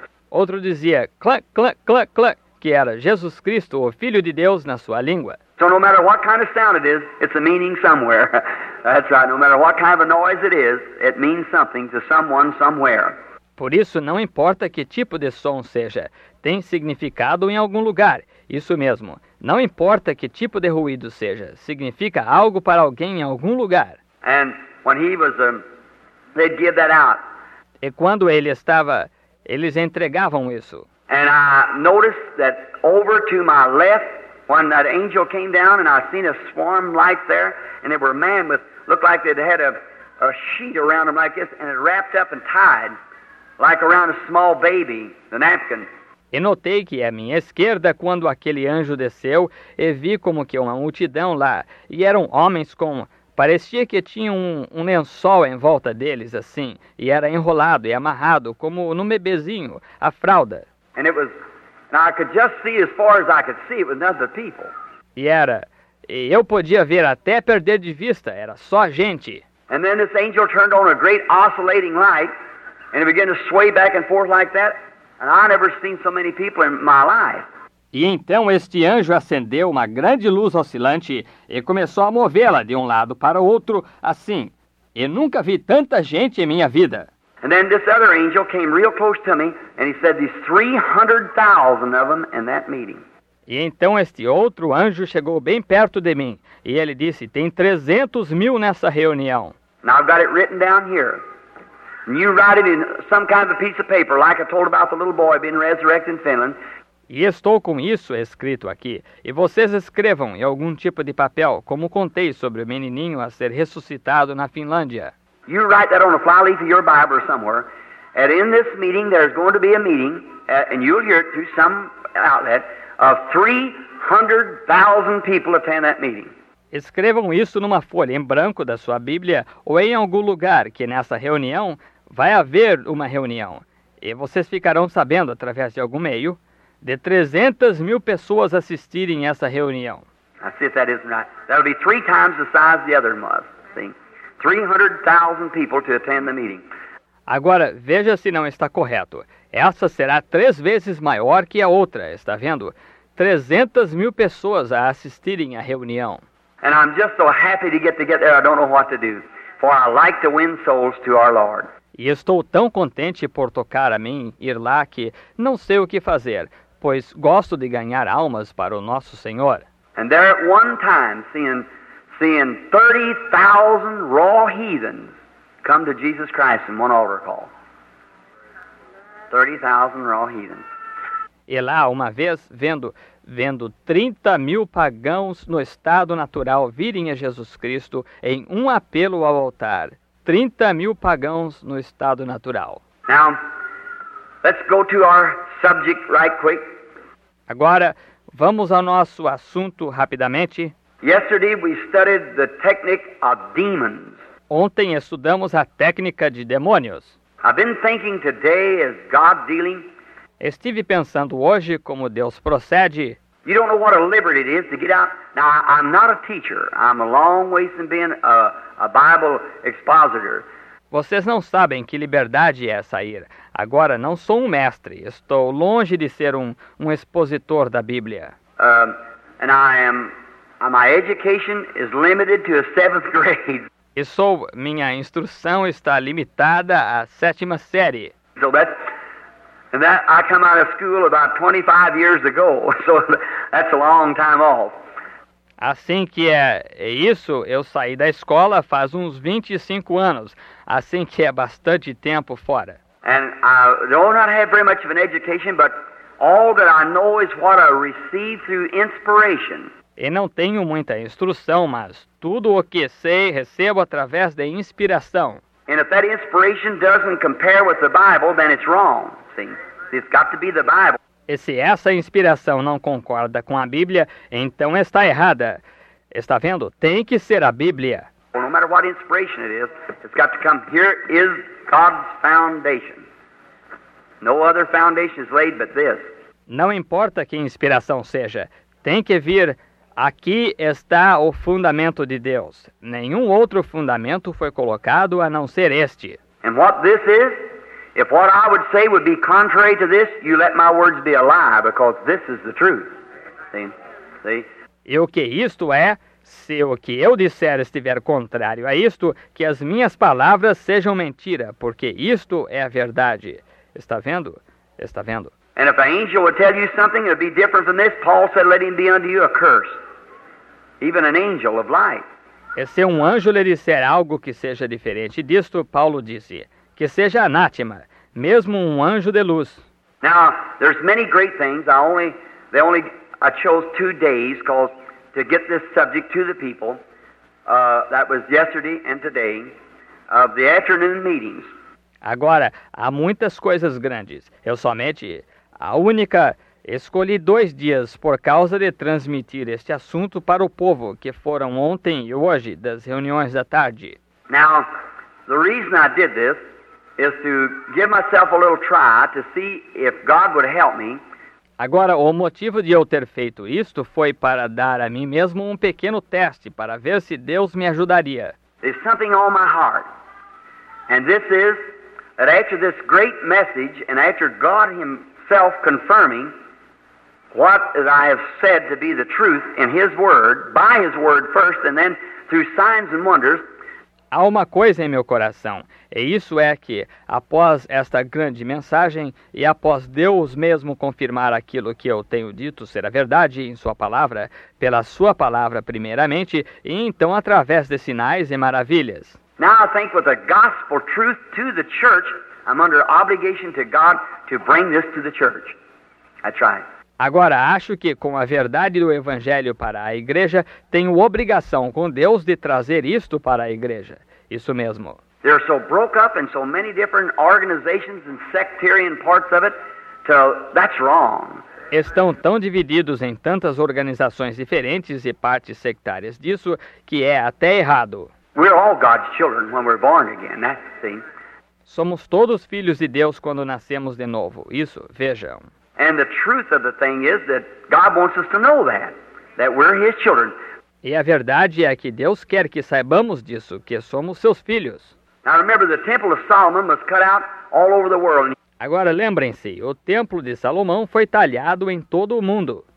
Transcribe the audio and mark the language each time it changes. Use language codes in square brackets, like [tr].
[pt] Outro dizia, clac, clac, clac, clac, que era Jesus Cristo, o Filho de Deus, na sua língua. [en] So no matter what kind of sound it is, it's a meaning somewhere. That's right, no matter what kind of a noise it is, it means something to someone somewhere. [pt] Por isso, não importa que tipo de som seja, tem significado em algum lugar. Isso mesmo. Não importa que tipo de ruído seja, significa algo para alguém em algum lugar. [en] And when he was, they'd give that out. [pt] E quando ele estava, eles entregavam isso. [en] And I noticed that over to my left, when that angel came down, and I seen a swarm light there, and there were men with, looked like they'd had a sheet around them like this, and it wrapped up and tied, like around a small baby, the napkin. [pt] E notei que à minha esquerda, quando aquele anjo desceu, e vi como que uma multidão lá, e eram homens com, parecia que tinha um lençol em volta deles, assim, e era enrolado e amarrado, como no bebezinho, a fralda. [en] And it was, and I could just see as far as I could see, it was none of the people. [pt] E era, e eu podia ver até perder de vista, era só gente. [en] And then this angel turned on a great oscillating light, and it began to sway back and forth like that, and I never seen so many people in my life. [pt] E então este anjo acendeu uma grande luz oscilante e começou a movê-la de um lado para o outro, assim. E nunca vi tanta gente em minha vida. [en] And then this other angel came real close to me and he said there's 300,000 of them in that meeting. [pt] E então este outro anjo chegou bem perto de mim e ele disse tem 300,000 nessa reunião. [en] And I've got it written down here. And you write it in some kind of a piece of paper like I told about the little boy being resurrected in Finland. [pt] E estou com isso escrito aqui. E vocês escrevam em algum tipo de papel, como contei sobre o menininho a ser ressuscitado na Finlândia. [en] You write that on a flyleaf of your Bible or somewhere. And in this meeting, there's going to be a meeting, and you'll hear it through some outlet, of 300,000 people attend that meeting. [pt] Escrevam isso numa folha em branco da sua Bíblia ou em algum lugar que nessa reunião vai haver uma reunião. E vocês ficarão sabendo através de algum meio de 300,000 pessoas assistirem essa reunião. [en] I see if that isn't right. That'll be three times the size the other was. See? 300,000 people to attend the meeting. [pt] Agora, veja se não está correto. Essa será três vezes maior que a outra, está vendo? 300,000 pessoas a assistirem à reunião. [en] And I'm just so happy to get there. I don't know what to do. For I like to win souls to our Lord. [pt] E estou tão contente por tocar a mim ir lá que não sei o que fazer, pois gosto de ganhar almas para o nosso Senhor. [en] And there at one time seeing 30,000 raw heathens come to Jesus Christ in one altar call. 30,000 raw heathens. [pt] E lá uma vez vendo 30,000 pagãos no estado natural virem a Jesus Cristo em um apelo ao altar. 30,000 pagãos no estado natural. [en] Now, let's go to our subject right quick. [pt] Agora, vamos ao nosso assunto rapidamente. [en] Yesterday we studied the technique of demons. [pt] Ontem estudamos a técnica de demônios. [en] I've been thinking today as God dealing. [pt] Estive pensando hoje como Deus procede. [en] You don't know what a liberty it is to get out. Now, I'm not a teacher. I'm a long ways from being a Bible expositor. [pt] Vocês não sabem que liberdade é sair. Agora, não sou um mestre. Estou longe de ser um expositor da Bíblia. [en] And my education is limited to a seventh grade. [pt] E sou, minha instrução está limitada à sétima série. [en] So that I come out of school about 25 years ago. So that's a long time off. [pt] Assim que é isso, eu saí da escola faz uns 25 anos, assim que é bastante tempo fora. [en] And I do not have very much of an education, but all that I know is what I received through inspiration. [pt] E não tenho muita instrução, mas tudo o que sei, recebo através de inspiração. [en] And if that inspiration doesn't compare with the Bible, then it's wrong. See, it's got to be the Bible. [pt] E se essa inspiração não concorda com a Bíblia, então está errada. Está vendo? Tem que ser a Bíblia. [en] Well, no matter what inspiration it is, it's got to come. Here is God's foundation. No other foundation is laid but this. [pt] Não importa que inspiração seja, tem que vir. Aqui está o fundamento de Deus. Nenhum outro fundamento foi colocado a não ser este. [en] And what this is? If what I would say would be contrary to this, you let my words be a lie, because this is the truth. See? [pt] E o que isto é, se o que eu disser estiver contrário a isto, que as minhas palavras sejam mentira, porque isto é a verdade. Está vendo? Está vendo? [en] And if an angel would tell you something, it would be different from this. Paul said, let him be unto you a curse. Even an angel of light. [pt] E se anjo lhe disser algo que seja diferente disto, Paulo disse, que seja anátema, mesmo anjo de luz. [en] Now, there's many great things. I chose 2 days called to get this subject to the people. That was yesterday and today of the afternoon meetings. [pt] Agora, há muitas coisas grandes. Eu somente, a única, escolhi 2 dias por causa de transmitir este assunto para o povo, que foram ontem e hoje, das reuniões da tarde. [en] Now, the reason I did this is to give myself a little try to see if God would help me. [pt] Agora, o motivo de eu ter feito isto foi para dar a mim mesmo um pequeno teste para ver se Deus me ajudaria. [en] There's something on my heart, and this is that after this great message and after God himself confirming what I have said to be the truth in his word, by his word first and then through signs and wonders. [pt] Há uma coisa em meu coração, e isso é que, após esta grande mensagem e após Deus mesmo confirmar aquilo que eu tenho dito ser a verdade em sua palavra, pela sua palavra primeiramente, e então através de sinais e maravilhas. [en] Now I think with the gospel truth to the church, I'm under obligation to God to bring this to the church. That's right. [pt] Agora, acho que com a verdade do evangelho para a igreja, tenho obrigação com Deus de trazer isto para a igreja. Isso mesmo. [en] They're so broke up in so many different organizations and sectarian parts of it, so that's wrong. [pt] Estão tão divididos em tantas organizações diferentes e partes sectárias disso que é até errado. [en] We're all God's children when we're born again, that's the thing. [pt] Somos todos filhos de Deus quando nascemos de novo. Isso, vejam. [en] And the truth of the thing is that God wants us to know that we're his children. [pt] E a verdade é que Deus quer que saibamos disso, que somos seus filhos. [en] Now remember, the temple of Solomon was cut out all over the world. [pt] Agora lembrem-se, o templo de Salomão foi talhado em todo o mundo.